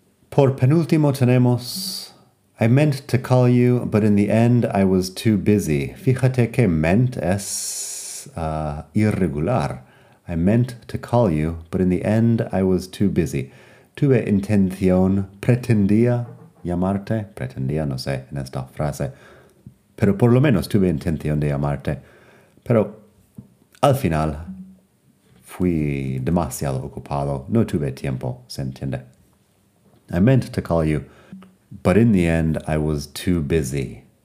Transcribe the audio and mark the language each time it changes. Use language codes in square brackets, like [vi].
[es] Por penúltimo tenemos, [en] I meant to call you, but in the end I was too busy. [es] Fíjate que meant es irregular. [en] I meant to call you, but in the end I was too busy. [es] Tuve intención, pretendía llamarte, pretendía, no sé, en esta frase. Pero por lo menos tuve intención de llamarte. Pero al final fui demasiado ocupado, no tuve tiempo, se entiende. [en] I meant to call you, but in the end, I was too busy.